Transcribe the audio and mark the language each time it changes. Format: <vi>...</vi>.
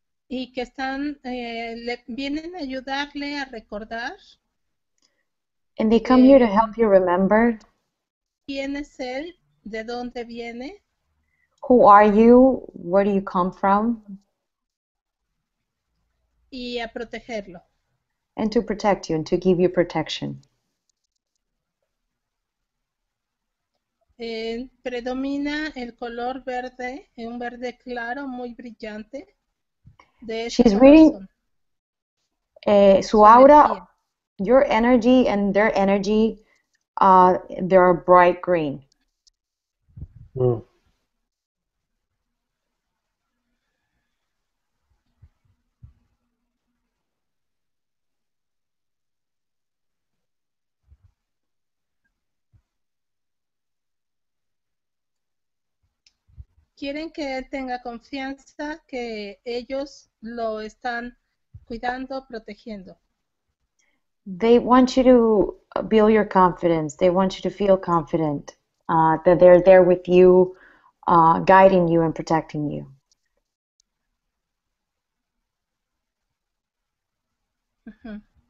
<es>Y y que están le vienen a ayudarle a recordar.</es> <en>And they come here to help you remember.</en> <es>¿Quién es él? ¿De dónde viene?</es> <en>Who are you? Where do you come from?</en> <es>Y a protegerlo.</es> <en>And to protect you and to give you protection.</en> <es>Predomina el color verde, un verde claro, muy brillante. De</es> <en>She's reading</en> <es>su aura,</es> <en>your energy and their energy, they're bright green.</en> <es>Quieren que él tenga confianza que ellos lo están cuidando, protegiendo.</es> <en>They want you to build your confidence. They want you to feel confident that they're there with you, guiding you and protecting you. Uh-huh.</en>